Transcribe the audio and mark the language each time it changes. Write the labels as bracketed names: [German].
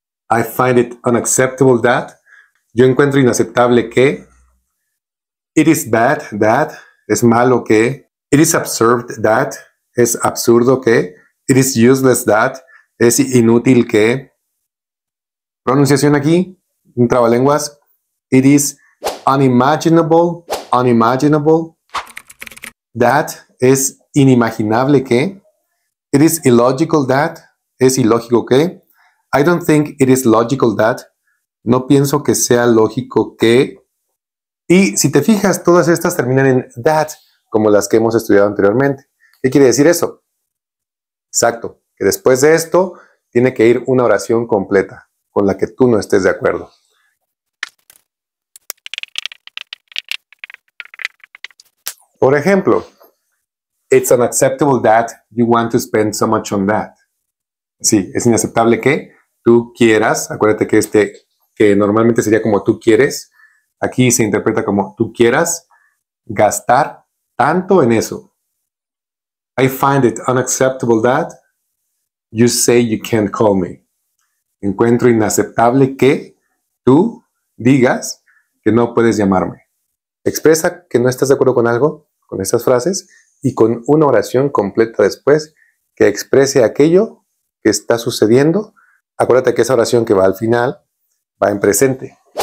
[English] I find it unacceptable that. [Spanish] Yo encuentro inaceptable que. [English] It is bad that. [Spanish] Es malo que. [English] It is absurd that. [Spanish] Es absurdo que. [English] It is useless that. [Spanish] Es inútil que. Pronunciación aquí. Un trabalenguas. [English] It is unimaginable. Unimaginable. That [Spanish] es inimaginable que. [English] It is illogical that. [Spanish] Es ilógico que. [English] I don't think it is logical that. [Spanish] No pienso que sea lógico que. Y si te fijas, todas estas terminan en that, como las que hemos estudiado anteriormente. ¿Qué quiere decir eso? Exacto. Que después de esto, tiene que ir una oración completa con la que tú no estés de acuerdo. Por ejemplo, [English] it's unacceptable that you want to spend so much on that. [Spanish] Sí, es inaceptable que tú quieras. Acuérdate que este, que normalmente sería como tú quieres. Aquí se interpreta como tú quieras gastar tanto en eso. [English] I find it unacceptable that you say you can't call me. [Spanish] Encuentro inaceptable que tú digas que no puedes llamarme. Expresa que no estás de acuerdo con algo, con estas frases, y con una oración completa después que exprese aquello que está sucediendo. Acuérdate que esa oración que va al final va en presente.